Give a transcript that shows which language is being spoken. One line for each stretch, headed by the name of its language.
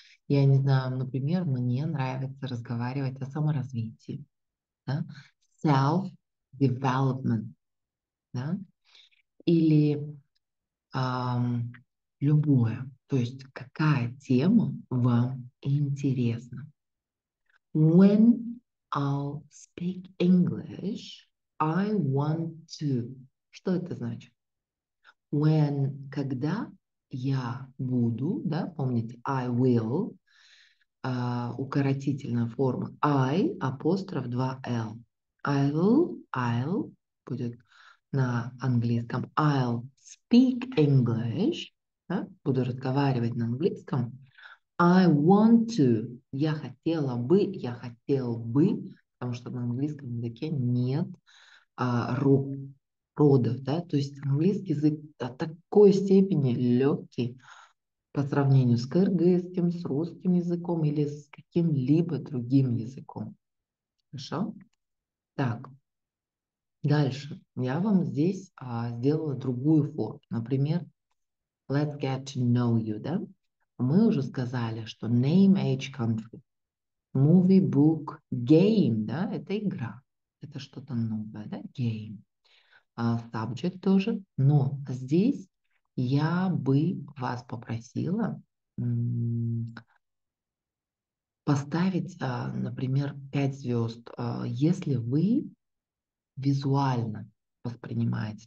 Russian: Я не знаю, например, мне нравится разговаривать о саморазвитии. Да? Self-development, да? Или любое. То есть, какая тема вам интересна?
English: When I'll speak English, I want to.
Russian: Что это значит?
English: When,
Russian: когда Я буду, да, помните,
English: I will,
Russian: укоротительная форма, I, апостроф 2L. I'll будет на английском.
English: I'll speak English,
Russian: да, буду разговаривать на английском.
English: I want to,
Russian: я хотела бы, я хотел бы, потому что на английском языке нет родов, да, то есть английский язык до такой степени легкий по сравнению с кыргызским, с русским языком или с каким-либо другим языком. Хорошо? Так, дальше. Я вам здесь сделала другую форму. Например,
English: let's get to know you, да?
Russian: Мы уже сказали, что
English: name, age, country, movie, book, game,
Russian: да, это игра. Это что-то новое, да, game. Subject тоже. Но здесь я бы вас попросила поставить, например, 5 звезд, если вы визуально воспринимаете.